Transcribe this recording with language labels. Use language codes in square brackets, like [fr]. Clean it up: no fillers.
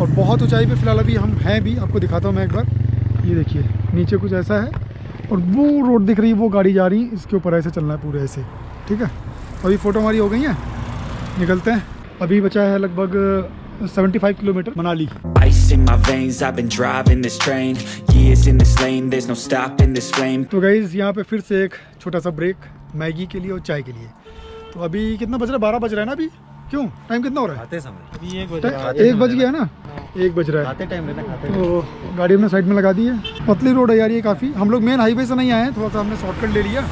[hi] और बहुत ऊंचाई पे फिलहाल अभी हम हैं भी, आपको दिखाता हूँ मैं एक बार। ये देखिए नीचे कुछ ऐसा है और वो रोड दिख रही है, वो गाड़ी जा रही है, इसके ऊपर ऐसे चलना है पूरे ऐसे, ठीक है। अभी फ़ोटो हमारी हो गई है, निकलते हैं। अभी बचा है लगभग 75 kilometre Manali. [en] Ice in my veins, I've been driving this train. Years in this lane, there's no stopping this flame. [hi] तो गाइज यहाँ पे फिर से एक छोटा सा ब्रेक मैगी के लिए और चाय के लिए। तो अभी कितना बज रहा है, 12 बज रहा है ना अभी, क्यों टाइम कितना हो रहा है आते समय? अभी एक बज रहा है। एक बज गया ना, एक बज रहा है आते टाइम रहना, खाते तो गाड़ी हमने साइड में लगा दी है। पतली रोड है यार ये काफ़ी, हम लोग मेन हाईवे से नहीं आए हैं, थोड़ा सा हमने शॉर्टकट ले लिया।